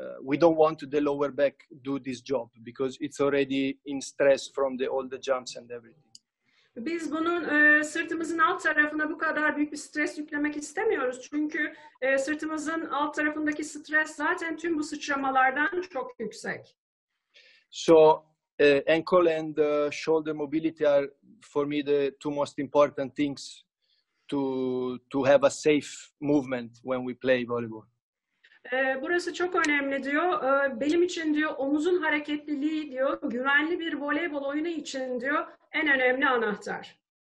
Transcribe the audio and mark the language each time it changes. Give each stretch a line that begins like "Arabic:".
English: We don't want the lower back do this job because it's already in stress from all the jumps and everything.
Turkish: Biz bunun sırtımızın alt tarafına bu kadar büyük bir stres yüklemek istemiyoruz. Çünkü sırtımızın alt tarafındaki stres zaten tüm bu sıçramalardan çok yüksek.
English: So, ankle and shoulder mobility are for me the two most important things to have a safe movement when we play volleyball.
Turkish: Burası çok önemli diyor. Benim için diyor omuzun hareketliliği diyor güvenli bir voleybol oyunu için diyor en önemli anahtar.